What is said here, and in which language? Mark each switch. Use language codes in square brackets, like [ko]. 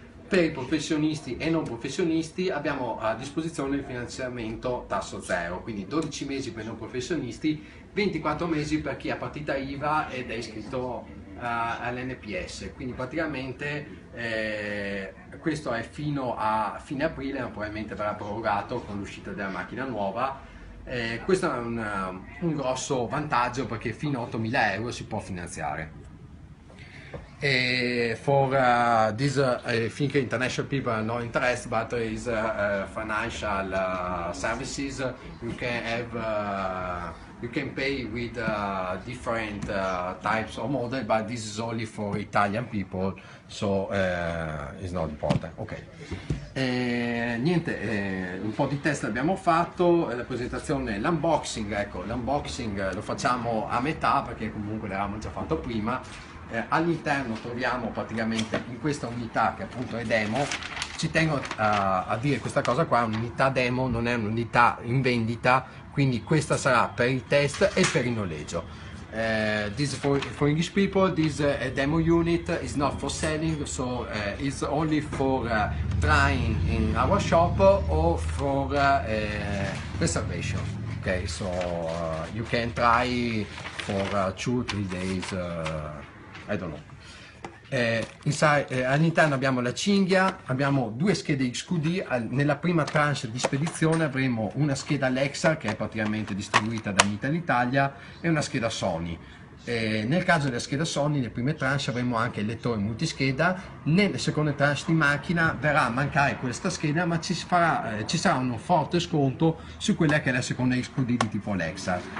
[it] per i professionisti e non professionisti abbiamo a disposizione il finanziamento tasso zero, quindi 12 mesi per i non professionisti, 24 mesi per chi ha partita IVA ed è iscritto all'NPS, quindi praticamente questo è fino a fine aprile, ma probabilmente verrà prorogato con l'uscita della macchina nuova. Questo è un grosso vantaggio, perché fino a 8.000 euro si può finanziare. [en] E for this think international people are not interested, but is financial services, you can have you can pay with different types of model, but this is only for Italian people, so it's not important. Okay. [it] Niente, un po' di test abbiamo fatto, la presentazione, l'unboxing, ecco, l'unboxing lo facciamo a metà perché comunque l'avevamo già fatto prima. All'interno troviamo praticamente in questa unità, che appunto è demo, ci tengo a dire questa cosa qua, un'unità demo non è un'unità in vendita, quindi questa sarà per i test e per il noleggio. [en] This is for English people, this a demo unit, is not for selling, so it's only for trying in our shop or for reservation. Okay, so you can try for 2-3 days, I don't know. [it] All'interno abbiamo la cinghia, abbiamo due schede XQD, nella prima tranche di spedizione avremo una scheda Alexa, che è praticamente distribuita da NITA in Italia, e una scheda Sony. Nel caso della scheda Sony, nelle prime tranche avremo anche il lettore multischeda, nelle seconde tranche di macchina verrà a mancare questa scheda, ma ci sarà un forte sconto su quella che è la seconda XQD di tipo Alexa.